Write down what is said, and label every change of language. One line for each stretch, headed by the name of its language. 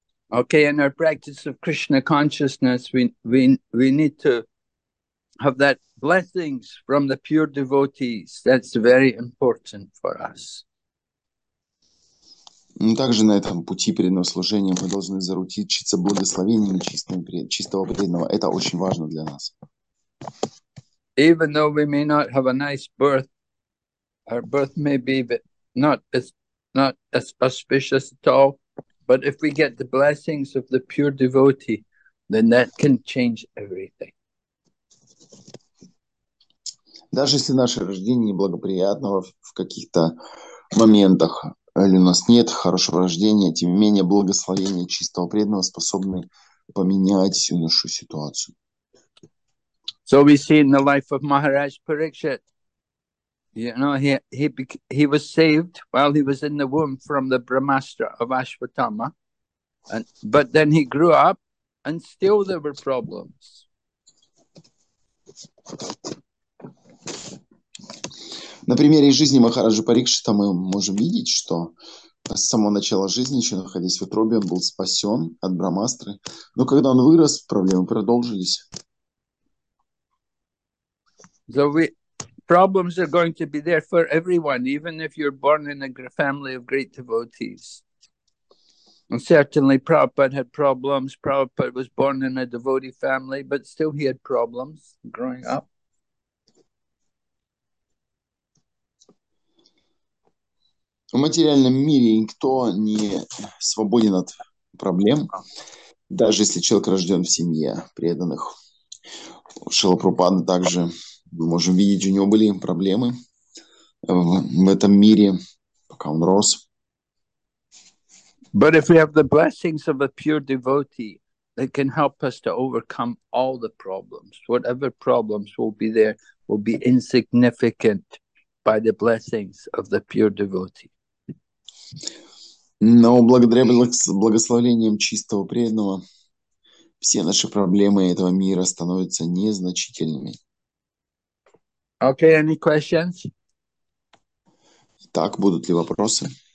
English: Okay, in our practice of Krishna consciousness, we need to have that blessings from the pure devotees. That's very important for us.
Russian: Также на этом пути преданного служения мы должны заручиться благословением чистого преданного. Это очень важно для нас.
English: Even though we may not have a nice birth, our birth may be not as auspicious at all, but if we get the blessings of the pure devotee, then that can change everything.
Russian: Даже если наше рождение неблагоприятно в каких-то моментах, или у нас нет хорошего рождения, тем не менее благословение чистого преданного способны поменять всю нашу ситуацию.
English: So we see in the life of Maharaj Parikshit, you know, he was saved while he was in the womb from the Brahmastra of Ashwatthama, but then he grew up and still there were problems.
Russian: На примере жизни Махараджа Парикшита мы можем видеть, что с самого начала жизни, еще находясь в утробе, он был спасен от Брамастры, но когда он вырос, проблемы продолжились.
English: So problems are going to be there for everyone, even if you're born in a family of great devotees. And certainly Prabhupada had problems. Prabhupada was born in a devotee family, but still he had problems growing up.
Russian: В материальном мире никто не свободен от проблем, даже если человек рожден в семье преданных. Шрила Прабхупада также, мы можем видеть, у него были проблемы в этом мире, пока он рос.
English: But if we have the blessings of a pure devotee, that can help us to overcome all the problems. Whatever problems will be there will be insignificant by the blessings of the pure devotee.
Russian: Но благодаря благословениям чистого преданного все наши проблемы этого мира становятся незначительными.
English: Okay, any questions?
Russian: Итак, будут ли вопросы?